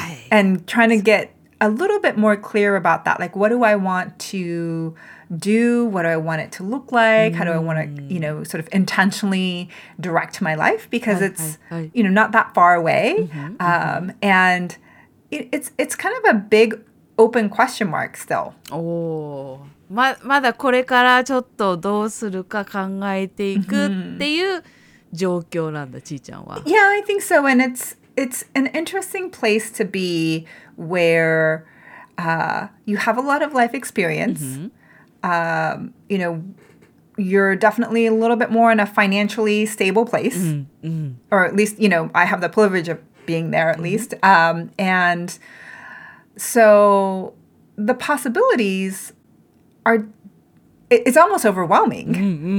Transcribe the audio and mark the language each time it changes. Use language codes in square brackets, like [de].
[en] And trying to get a little bit more clear about that. Like, what do I want to do? What do I want it to look like? Mm. How do I want to, you know, sort of intentionally direct my life? Because it's, you know, not that far away. Mm-hmm, and it's kind of a big open question mark still. [ja] まだこれからちょっとどうするか考えていくっていう状況なんだ、ちーちゃんは。 [en] Yeah, I think so. And it's an interesting place to be where you have a lot of life experience. Mm-hmm. You know, you're definitely a little bit more in a financially stable place. Mm-hmm. Or at least, you know, I have the privilege of being there at least. And so the possibilities are, it's almost overwhelming. Mm-hmm.